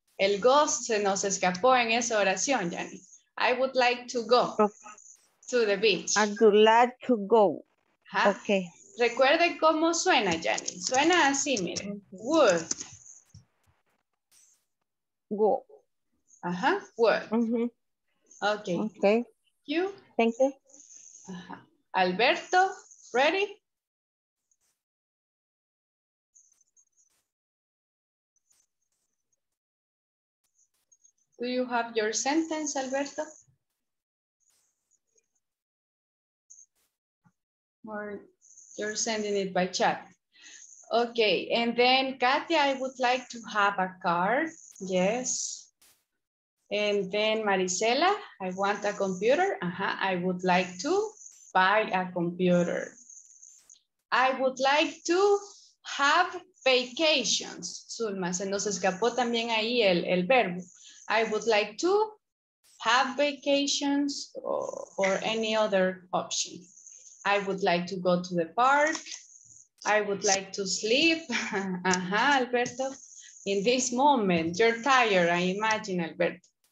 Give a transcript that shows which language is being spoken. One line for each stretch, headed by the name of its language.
Spanish: El go se nos escapó en esa oración, Yanni.
English: I would like to go to the beach. I would like to go. Uh-huh. Okay.
Spanish: Recuerde cómo suena, Yanni. Suena así, mire. Would.
English: Go. Uh-huh. Word. Mm-hmm. Okay. Okay. Thank you. Uh-huh. Alberto, ready? Do you have your sentence, Alberto? Or you're sending it by chat. Okay. And then, Katia, I would like to have a card. Yes. And then Maricela, I want a computer. Uh-huh. I would like to buy a computer. I would like to have vacations.
Spanish: Zulma, se nos escapó también ahí el verbo.
English: I would like to have vacations or any other option. I would like to go to the park. I would like to sleep. Alberto. In this moment, you're tired, I imagine, Alberto.